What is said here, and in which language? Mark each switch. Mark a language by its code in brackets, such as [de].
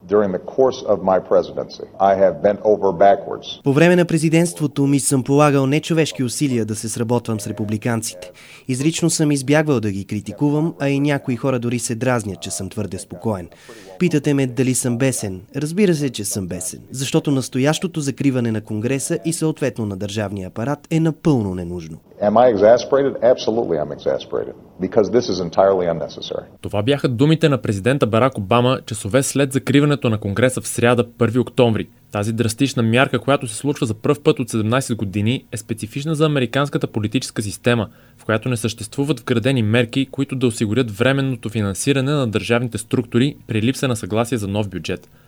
[en] During the course of my presidency, I have bent over backwards. [bg] По време на президентството ми съм полагал нечовешки усилия да се сработвам с републиканците. Изрично съм избягвал да ги критикувам, а и някои хора дори се дразнят, че съм твърде спокоен. Питате ме дали съм бесен. Разбира се, че съм бесен, защото настоящото закриване на Конгреса и съответно на държавния апарат е напълно ненужно. [en] Am I exasperated? Absolutely, I'm exasperated. Because this is entirely unnecessary. [bg] Това бяха думите на президента Барак Обама часове след закриването на Конгреса в сряда, 1 октомври. Тази драстична мярка, която се случва за пръв път от 17 години, е специфична за американската политическа система, в която не съществуват вградени мерки, които да осигурят временното финансиране на държавните структури при липса на съгласие за нов бюджет.